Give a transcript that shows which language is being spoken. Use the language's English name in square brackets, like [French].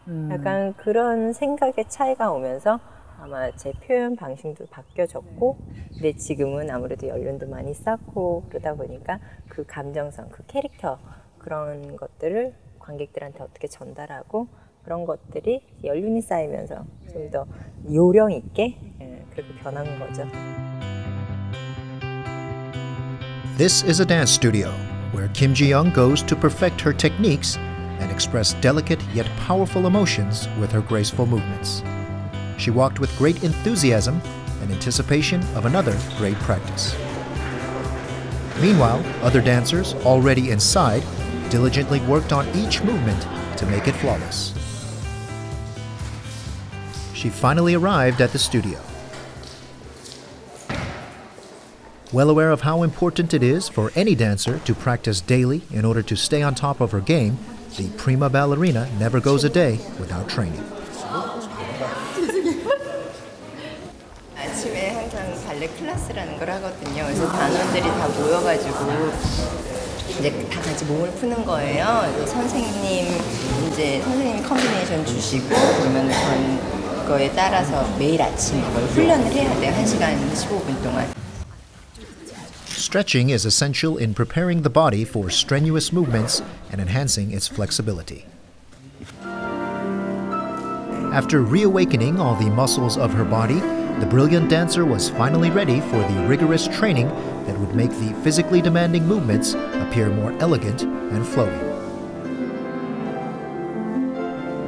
[Korean] 약간 그런 생각의 차이가 오면서 아마 제 표현 방식도 바뀌어졌고 근데 지금은 아무래도 연륜도 많이 쌓고 그러다 보니까 그 감정성, 그 캐릭터 그런 것들을 관객들한테 어떻게 전달하고 그런 것들이 연륜이 쌓이면서 좀 더 요령 있게 그렇게 변한 거죠. [English] This is a dance studio where Kim Ji-young goes to perfect her techniques and express delicate yet powerful emotions with her graceful movements. She walked with great enthusiasm and anticipation of another great practice. Meanwhile, other dancers already inside diligently worked on each movement to make it flawless. She finally arrived at the studio. Well aware of how important it is for any dancer to practice daily in order to stay on top of her game, the prima ballerina never goes a day without training. [Korean] 아침에 항상 발레 클래스라는 걸 하거든요. 그래서 단원들이 다 모여가지고 이제 다 같이 몸을 푸는 거예요. 선생님이 컨디션 주시고 그러면 그거에 따라서 매일 아침 그걸 훈련을 해야 돼요. 1시간 15분 동안. [English] Stretching is essential in preparing the body for strenuous movements and enhancing its flexibility. After reawakening all the muscles of her body, the brilliant dancer was finally ready for the rigorous training that would make the physically demanding movements appear more elegant and flowing.